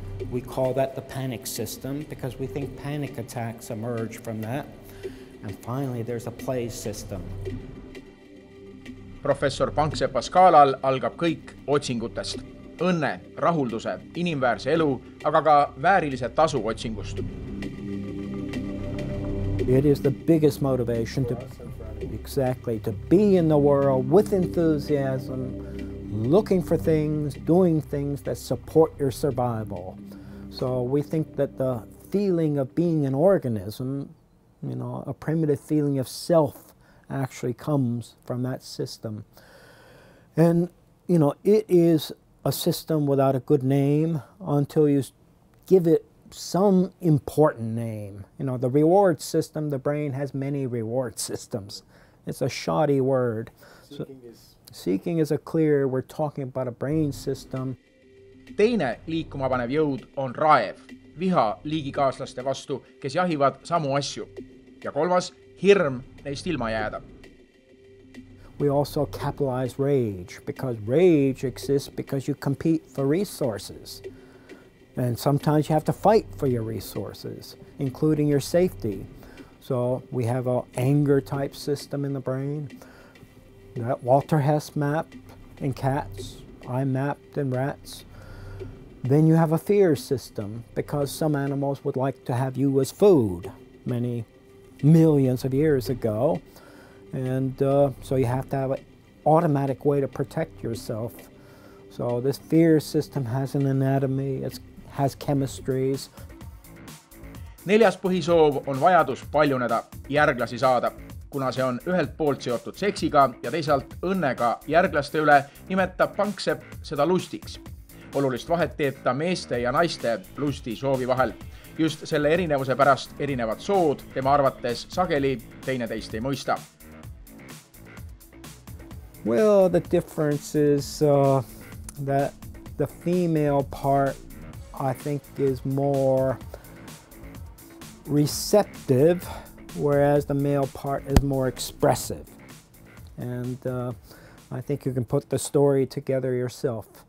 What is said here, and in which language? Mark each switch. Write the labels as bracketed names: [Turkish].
[English] We call that the panic system because we think panic attacks emerge from that. And finally, there's a play system. [Estonian] Professor Panksepa skaalal algab kõik otsingutest. Õnne, rahulduse, inimväärse elu, aga ka väärilise tasu otsingust. [English] It is the biggest motivation to be in the world with enthusiasm, looking for things, doing things that support your survival. So we think that the feeling of being an organism, a primitive feeling of self actually comes from that system. And, it is a system without a good name until you give it some important name. You know, the reward system, the brain has many reward systems. It's a shoddy word. Seeking is a clear, we're talking about a brain system. [Estonian] Teine liikuma panev jõud on raev, viha liigikaaslaste vastu, kes jahivad samu asju. Ja kolmas, hirm neist ilma jääda. [English] We also capitalize rage, because rage exists because you compete for resources. And sometimes you have to fight for your resources, including your safety. So we have an anger type system in the brain. That Walter Hess mapped in cats, I mapped in rats. Then you have a fear system, because some animals would like to have you as food many millions of years ago. And so you have to have an automatic way to protect yourself. So this fear system has an anatomy, it has chemistries. [Estonian] Neljas põhisoov on vajadus paljuneda, järglasi saada, kuna see on ühelt poolt seotud seksiga ja teisalt õnnega järglaste üle, nimetab Panksepp seda lustiks. Olulist vahet teeb ta meeste ja naiste lusti soovi vahel. Just selle erinevuse pärast erinevad sood tema arvates sageli teine teist ei mõista. [English] Well, the difference is that the female part, I think, is more receptive, whereas the male part is more expressive. And I think you can put the story together yourself.